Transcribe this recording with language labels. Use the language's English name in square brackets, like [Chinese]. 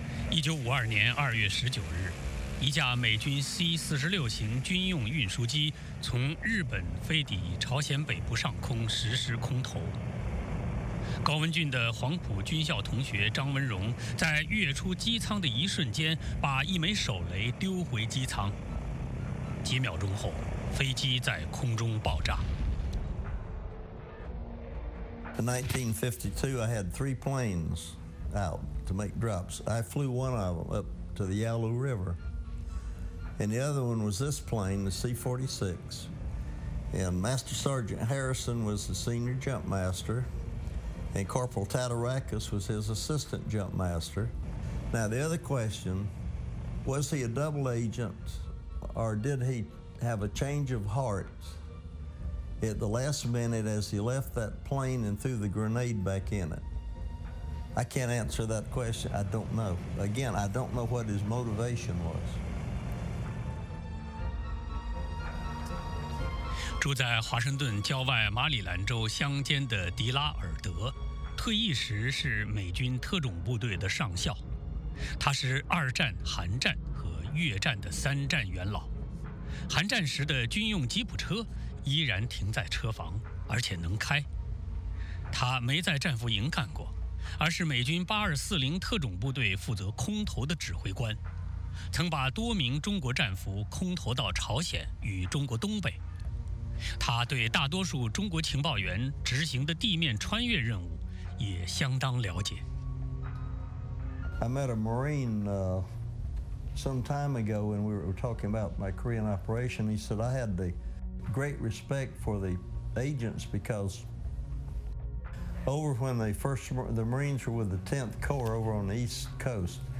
[Chinese] 1952年2月19日，一架美军 C-46 型军用运输机从日本飞抵朝鲜北部上空实施空投。高文俊的黄埔军校同学张文荣在跃出机舱的一瞬间把一枚手雷丢回机舱，几秒钟后飞机在空中爆炸。 [English] 1952 I had three planes out to make drops. I flew one of them up to the Yalu River and the other one was this plane, the C-46, and Master Sergeant Harrison was the senior jump master. And Corporal Tatarakis was his assistant jump master. Now, the other question, was he a double agent or did he have a change of heart at the last minute as he left that plane and threw the grenade back in it? I can't answer that question. I don't know. Again, I don't know what his motivation was. [Chinese] 住在华盛顿郊外马里兰州乡间的迪拉尔德，退役时是美军特种部队的上校，他是二战、韩战和越战的三战元老。韩战时的军用吉普车依然停在车房，而且能开。他没在战俘营干过，而是美军8240特种部队负责空投的指挥官，曾把多名中国战俘空投到朝鲜与中国东北。他对大多数中国情报员执行的地面穿越任务也相当了解。 [English] I met a Marine some time ago when we were talking about my Korean operation. He said I had the great respect for the agents because over when they first, the Marines were with the 10th Corps over on the East Coast.